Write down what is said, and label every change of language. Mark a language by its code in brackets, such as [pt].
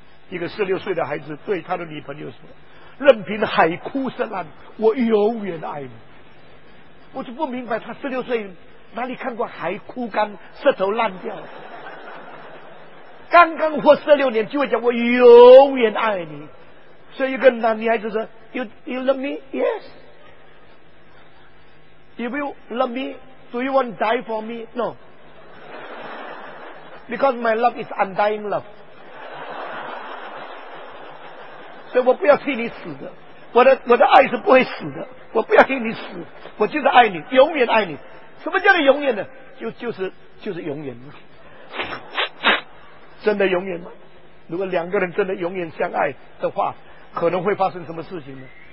[zh] 一个16岁的孩子对他的女朋友说，任凭海枯石烂，我永远爱你。我就不明白，他16岁哪里看过海枯干石头烂掉，刚刚活16年就会讲我永远爱你。所以一个男女孩子说 [en] you love me? Yes. If you love me, do you want to die for me? No, because my love is undying love. [zh] 所以我不要替你死的，我的爱是不会死的，我不要替你死，我就是爱你，永远爱你。什么叫做永远呢？就是永远。真的永远吗？如果两个人真的永远相爱的话，可能会发生什么事情呢？